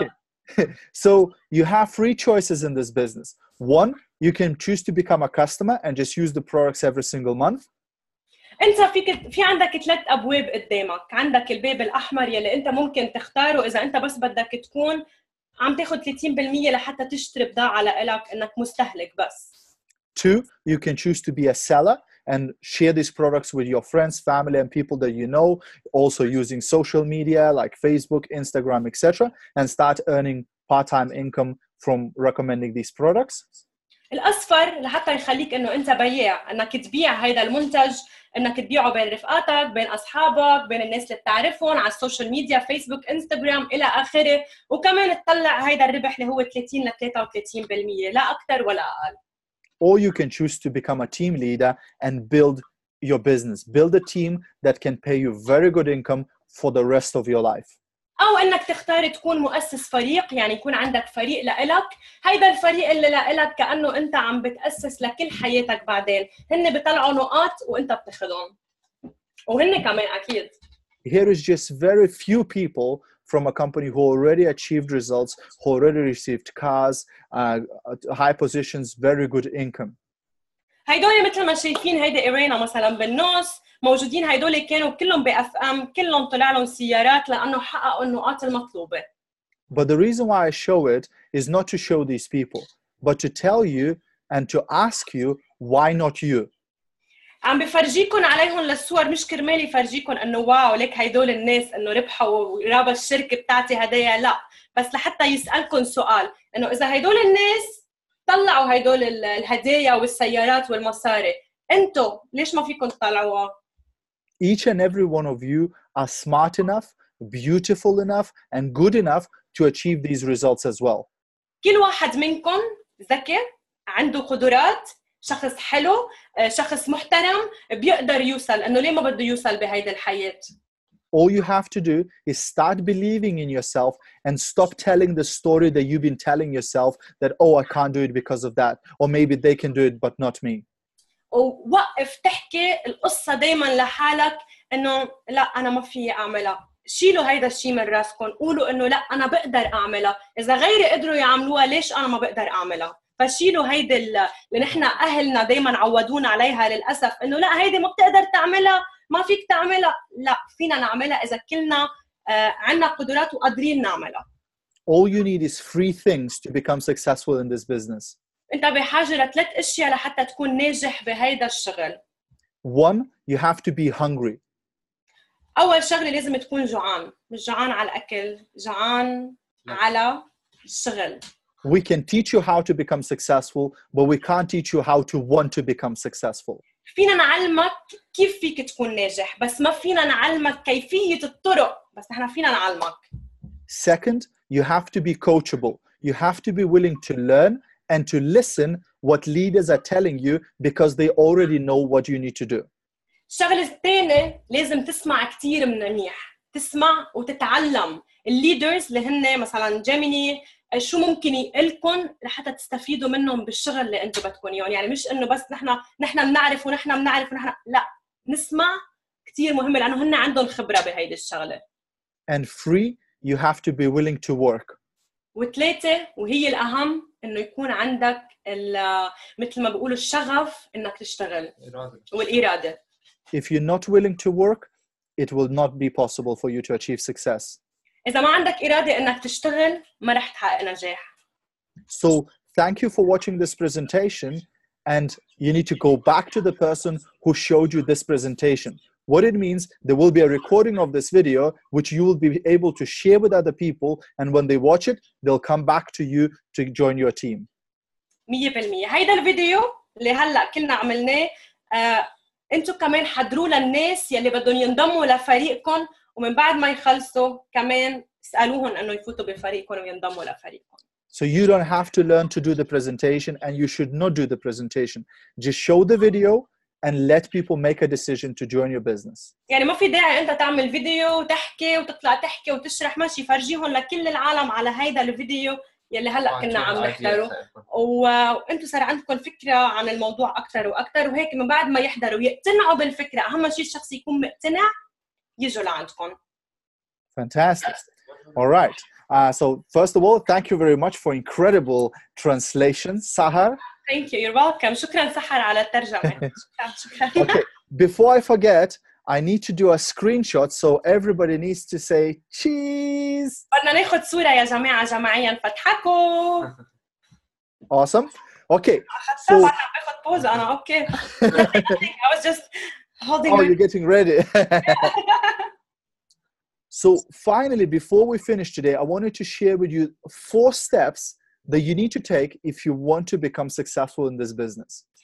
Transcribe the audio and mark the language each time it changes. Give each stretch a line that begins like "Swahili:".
English: Okay. So you have three choices in this business. One, you can choose to become a customer and just use the products every single month.
Arabic: أنت في عندك ثلاث أبواب قدامك. عندك الباب الأحمر يلي أنت ممكن تختاره إذا أنت بس بدك تكون عم تاخد 30% لحتى تشتري بضاعة لإلك إنك مستهلك بس.
English: Two, you can choose to be a seller and share these products with your friends, family, and people that you know, also using social media like Facebook, Instagram, etc., and start earning part-time income from recommending these products.
Arabic: الأصفر لحتى يخليك إنه أنت بيع، إنك تبيع هذا المنتج، إنك تبيعه بين رفقاتك، بين أصحابك، بين الناس اللي تعرفهم على السوشيال ميديا، فيسبوك، إنستغرام إلى آخره، وكمان تطلع هذا الربح اللي هو 30-33%، لا أكثر ولا أقل.
English: Or you can choose to become a team leader and build your business. Build a team that can pay you very good income for the rest of your life.
Arabic: أو إنك تختار تكون مؤسس فريق يعني يكون عندك فريق لإلك. هيدا الفريق اللي لإلك كأنه أنت عم بتأسس لكل حياتك بعدين. هن بيطلعوا نقاط وأنت بتاخذهم. وهن كمان أكيد.
English: Here is just very few people from a company who already achieved results, who already received cars, high positions, very good income.
Arabic: هيدولي مثل ما شايفين هيدا إيرينا مثلاً بالنص موجودين هيدولي كانوا كلهم بأفهم كلهم طلع لهم سيارات لأنه حققوا النقاط المطلوبة.
English: But the reason why I show it is not to show these people, but to tell you and to ask you why not you.
Arabic: عم بفرجيكم عليهم للصور مش كرمال يفرجيكم انه واو لك هيدول الناس انه ربحوا ورابة الشركة بتاعتي هدايا لا بس لحتى يسألكم سؤال انه اذا هيدول الناس طلعوا هيدول الهدايا والسيارات والمصاري انتو ليش ما فيكم تطلعوها؟
English: Each and every one of you are smart enough, beautiful enough and good enough to achieve these results as well.
Arabic: كل واحد منكم ذكي عنده قدرات شخص حلو, شخص محترم بيقدر يوصل, انه ليه ما بده يوصل بهيدي الحياه.
English: All you have to do is start believing in yourself and stop telling the story that you've been telling yourself that, oh, I can't do it because of that. Or maybe they can do it, but not me.
Arabic: ووقف تحكي القصة دايما لحالك انه لا انا ما في اعملها. شيلوا هيدا الشيء من راسكم. قولوا انه لا انا بقدر اعملها. اذا غيري قدروا يعملوها ليش انا ما بقدر اعملها. فشيلوا هيدا اللي نحن اهلنا دايما عودونا عليها للأسف, انه لا هيدا ما بتقدر تعملها, ما فيك تعملها. لا فينا نعملها اذا كلنا عنا قدرات وقادرين نعملها.
English: All you need is three things to become successful in this business.
Arabic: انت بحاجة لثلاث اشياء لحتى تكون ناجح بهيدا الشغل.
English: One, you have to be hungry.
Arabic: اول شغلة لازم تكون جوعان, مش جوعان على الاكل, جوعان على الشغل.
English: We can teach you how to become successful, but we can't teach you how to want to become successful.
Arabic: فينا نعلمك كيف فيك تكون ناجح, بس ما فينا نعلمك كيفية الطرق, بس احنا فينا نعلمك.
English: Second, you have to be coachable. You have to be willing to learn and to listen what leaders are telling you because they already know what you need to do.
Arabic: الشغلة الثانية لازم تسمع كتير منيح, تسمع وتتعلم الليدرز اللي هن مثلا جيميني شو ممكن يقلكن لحتى تستفيدوا منهم بالشغل اللي انتوا بتكون يعني. يعني مش انه بس نحنا بنعرف ونحنا بنعرف ونحنا, لا نسمع كتير مهم لانه هن عندهم خبرة بهيدي الشغلة.
English: And three, you have to be willing to work.
Arabic: وثلاثة وهي الأهم, انه يكون عندك مثل ما بقولوا الشغف انك تشتغل والإرادة.
English: If you're not willing to work, it will not be possible for you to achieve success.
Arabic: إذا ما عندك إرادة إنك تشتغل ما رح تحقق نجاح.
English: So thank you for watching this presentation, and you need to go back to the person who showed you this presentation. What it means, there will be a recording of this video which you will be able to share with other people, and when they watch it, they'll come back to you to join your team. 100%.
Arabic: هيدا الفيديو اللي هلا كلنا عملناه, انتو كمان حضروا للناس يلي بدهم ينضموا لفريقكم. ومن بعد ما يخلصوا كمان سألوهم انه يفوتوا بفريقكم وينضموا لفريقكم.
English: So you don't have to learn to do the presentation, and you should not do the presentation. Just show the video and let people make a decision to join your business.
Arabic: يعني ما في داعي انت تعمل فيديو وتحكي وتطلع تحكي وتشرح ماشي, فرجيهم لكل العالم على هيدا الفيديو يلي هلا كنا عم نحضره, وانتم صار عندكم فكره عن الموضوع اكثر واكثر, وهيك من بعد ما يحضروا يقتنعوا بالفكره. اهم شيء الشخص يكون مقتنع يجوا لعندكم.
English: Fantastic. All right. So first of all, thank you very much for incredible translation, Sahar. Thank you. You're welcome.
Arabic: شكرا سحر على الترجمة.
English: Okay. Before I forget, I need to do a screenshot, so everybody needs to say cheese.
Arabic: بدنا ناخد صورة يا جماعة جماعيا, فتحكوا.
English: Awesome. Okay. So I'm going to take a pause. I'm okay. I was just holding. Oh, you're getting ready. So finally, before we finish today, I wanted to share with you four steps that you need to take if you want to become successful in this business.